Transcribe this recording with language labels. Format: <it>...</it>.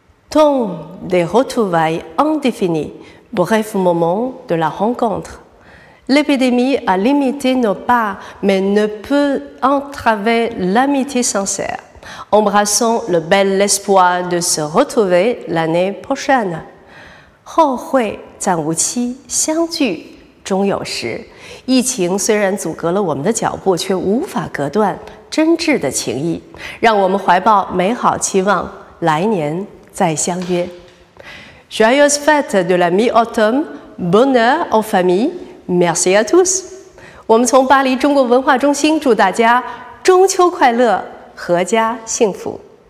<fr>Temps des retrouvailles indéfinies, bref moment de la rencontre. L'épidémie a limité nos pas, mais ne peut entraver l'amitié sincère. Embrassons le bel espoir de se retrouver l'année prochaine.</fr> <zh>后会暂无期，相聚终有时。疫情虽然阻隔了我们的脚步，却无法隔断真挚的情谊。让我们怀抱美好期望，来年再相约。</zh> <fr>Joyeuse fête de la mi-automne, bonheur en famille, merci à tous.</fr> <zh>我们从巴黎中国文化中心祝大家中秋快乐，阖家幸福。</zh>